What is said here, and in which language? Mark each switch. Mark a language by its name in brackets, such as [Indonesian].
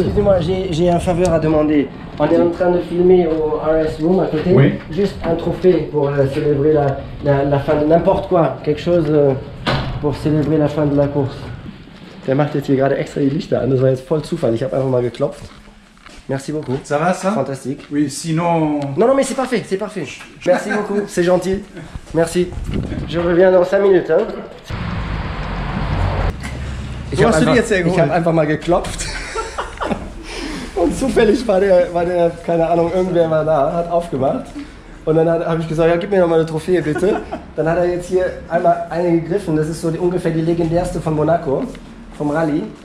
[French] Excusez-moi, j'ai un faveur à demander. On est en train de filmer au RS Room à côté. Oui. Juste un trophée pour célébrer la fin de n'importe quoi. Quelque chose pour célébrer la fin de la course. [German] Der macht jetzt hier gerade extra die Lichter an. Das war jetzt voll Zufall. Ich habe einfach mal geklopft. [French] Merci beaucoup. Ça va, ça? Fantastique. Oui, sinon... Non, mais c'est parfait. Merci beaucoup, c'est gentil. Merci. Je reviens dans 5 minutes. Hein. [German] Wo hast du die jetzt hergeholt? Ich habe einfach mal geklopft. Und zufällig war der, keine Ahnung, irgendwer war da, hat aufgemacht. Und dann habe ich gesagt, ja, gib mir noch mal eine Trophäe, bitte. Dann hat er jetzt hier einmal eine gegriffen. Das ist so ungefähr die legendärste von Monaco, vom Rallye.